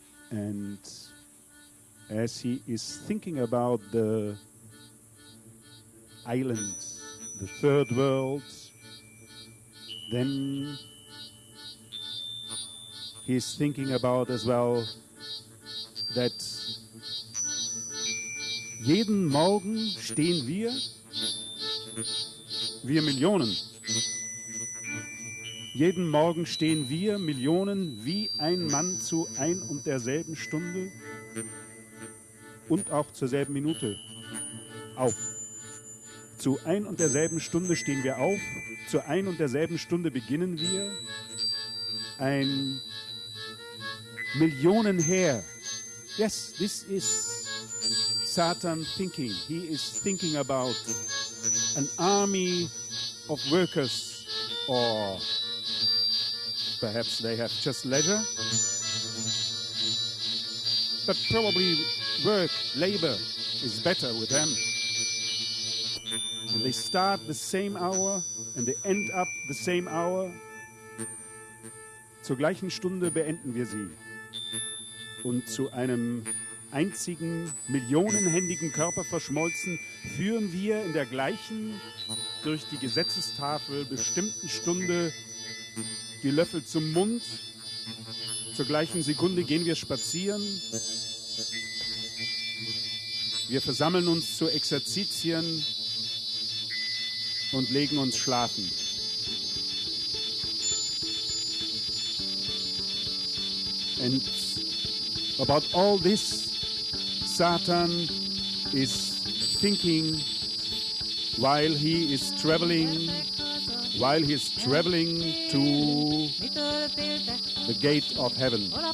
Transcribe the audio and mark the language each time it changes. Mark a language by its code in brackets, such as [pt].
[en] And as he is thinking about the island, the third world, then he's thinking about as well that [de] jeden Morgen stehen wir Millionen. Jeden Morgen stehen wir Millionen wie ein Mann zu ein und derselben Stunde und auch zur selben Minute auf. Zu ein und derselben Stunde stehen wir auf, zu ein und derselben Stunde beginnen wir. Ein Millionenheer. [en] Yes, this is Saturn thinking. He is thinking about an army of workers, or perhaps they have just leisure, but probably work, labor is better with them. And they start the same hour and they end up the same hour. [de] Zur gleichen Stunde beenden wir sie. Und zu einem einzigen, millionenhändigen Körper verschmolzen, führen wir in der gleichen, durch die Gesetzestafel bestimmten Stunde die Löffel zum Mund. Zur gleichen Sekunde gehen wir spazieren. Wir versammeln uns zu Exerzitien und legen uns schlafen. [en] And about all this, Saturn is thinking while he is traveling, to the gate of heaven.